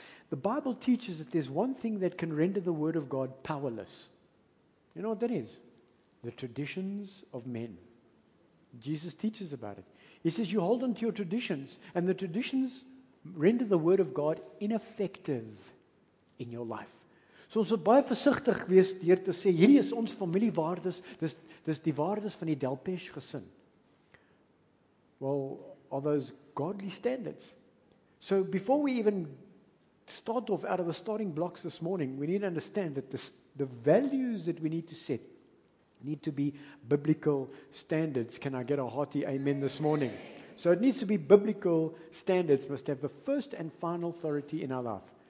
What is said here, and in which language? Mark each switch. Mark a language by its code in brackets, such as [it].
[en] The Bible teaches that there's one thing that can render the Word of God powerless. You know what that is? The traditions of men. Jesus teaches about it. He says you hold on to your traditions, and the traditions render the Word of God ineffective in your life. [af] So ons moet baie versigtig wees deur te sê, hierdie is ons familiewaardes, dis die waardes van die Delpech gesin. [en] Well, are those godly standards? So before we even start off out of the starting blocks this morning, we need to understand that the values that we need to set need to be biblical standards. Can I get a hearty amen this morning? So it needs to be biblical standards, must have the first and final authority in our life.